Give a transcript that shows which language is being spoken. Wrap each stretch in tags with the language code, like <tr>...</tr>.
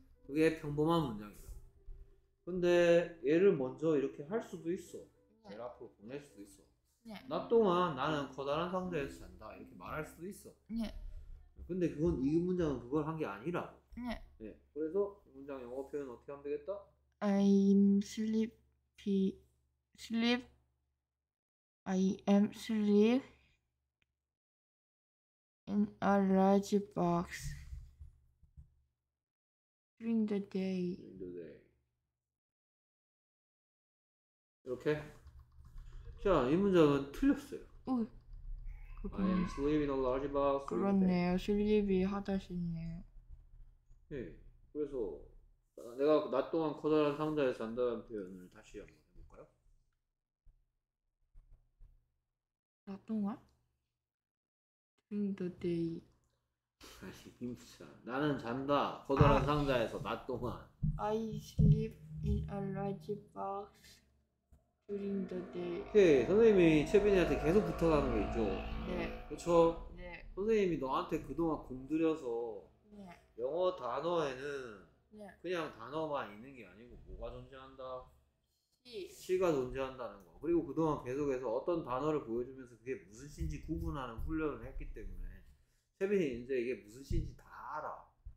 <ko>그게 평범한 문장이라고. 근데 얘를 먼저 이렇게 할 수도 있어. 네. 제일 앞으로 보낼 수도 있어. 네. 낮 동안 나는 커다란 상자에서 잔다 이렇게 말할 수도 있어. 네. 근데 그건 이 문장은 그걸 한 게 아니라고. 네. 네. 그래서 문장 영어 표현 어떻게 하면 되겠다?</ko> <en>I'm sleepy. Sleep. I am sleep in a large box during the day. During the day.</en> <ko>이렇게. 자, 이 문장은 틀렸어요. 오.</ko> <en>I am sleep in a large box.</en> <ko>그렇네요. Sleep이 하다시네요. 네. 그래서 내가 낮 동안 커다란 상자에 잔다는 표현을 다시 한번 해볼까요? 낮 동안?</ko> <en>During the day.</en> <ko>다시 힘쓰자. 나는 잔다. 커다란 상자에서 낮 동안.</ko> <en>I sleep in a large box during the day. 오케이.</en> <ko>선생님이 채빈이한테 계속 부탁하는 게 있죠? 네. 그렇죠? 네. 선생님이 너한테 그동안 공들여서 네. 영어 단어에는 네. 그냥 단어만 있는 게 아니고 뭐가 존재한다? 시. 시가 존재한다는 거. 그리고 그동안 계속해서 어떤 단어를 보여주면서 그게 무슨 시인지 구분하는 훈련을 했기 때문에 채빈이 이제 이게 무슨 시인지 다 알아.</ko>